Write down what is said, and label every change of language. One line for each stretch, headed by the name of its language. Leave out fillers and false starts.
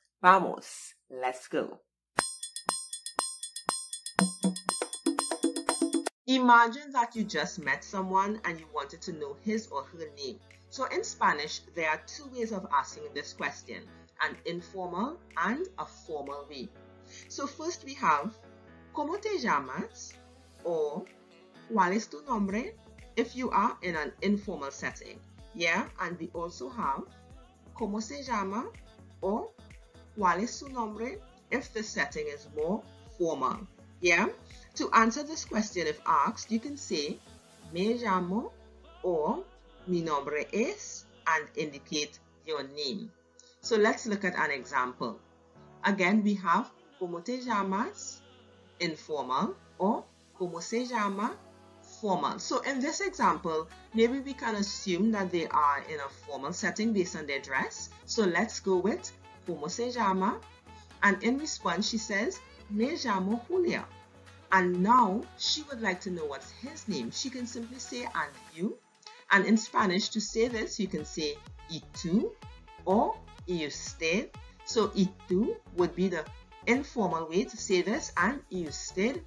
English: Vamos, let's go. Imagine that you just met someone and you wanted to know his or her name. So in Spanish, there are two ways of asking this question, an informal and a formal way. So first we have,
Spanish: ¿Cómo te llamas? Or, ¿Cuál es tu nombre?
English: If you are in an informal setting. Yeah, and we also have,
Spanish: ¿Cómo se llama?
English: Or,
Spanish: ¿Cuál es su nombre?
English: If the setting is more formal. Yeah, to answer this question if asked, you can say,
Spanish: Me llamo,
English: or
Spanish: Mi nombre es,
English: and indicate your name. So let's look at an example. Again, we have
Spanish: ¿Cómo te llamas?
English: Informal, or
Spanish: ¿Cómo se llama?
English: Formal. So in this example, maybe we can assume that they are in a formal setting based on their dress. So let's go with
Spanish: ¿Cómo se llama?
English: And in response, she says
Spanish: Me llamo Julia.
English: And now she would like to know what's his name. She can simply say and you. And in Spanish, to say this, you can say
Spanish: ¿Y tú?
English: Or
Spanish: ¿Y usted?
English: So
Spanish: ¿Y tú?
English: Would be the informal way to say this, and ¿Y usted?